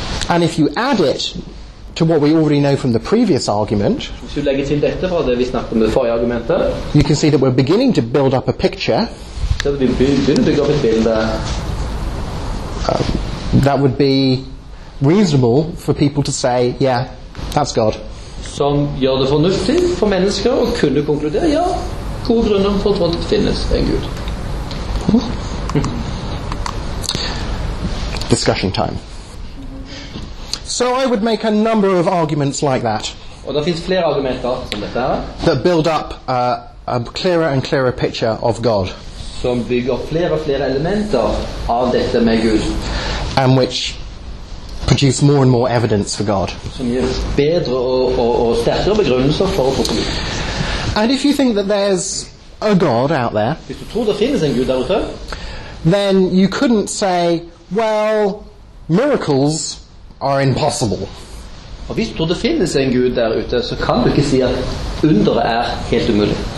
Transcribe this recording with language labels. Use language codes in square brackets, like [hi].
[en] And if you add it to what we already know from the previous argument, [no] hvis du legger til dette fra det vi snakket om det forrige argumentet, [en] you can see that we're beginning to build up a picture. [no] Så vi begynner å bygge opp et bilde. [en] That would be reasonable for people to say, yeah, that's God. [no] Som gjør det fornuftig for mennesker å kunne konkludere, ja, gode grunner for at det finnes en Gud. [en] Discussion time. So I would make a number of arguments like that. [no] Og det finnes flere argumenter som dette her. [en] That build up a clearer and clearer picture of God. [no] Som bygger flere og flere elementer av dette med Gud. [en] And which produce more and more evidence for God. [no] Som gir bedre og sterkere begrunnelser for å tro på Gud. [en] And if you think that there's a God out there, [no] hvis du tror det finnes en Gud der ute, [en] then you couldn't say, well, miracles are impossible. [no] Og hvis du tror det finnes en Gud der ute, så kan du ikke si at under helt umulig.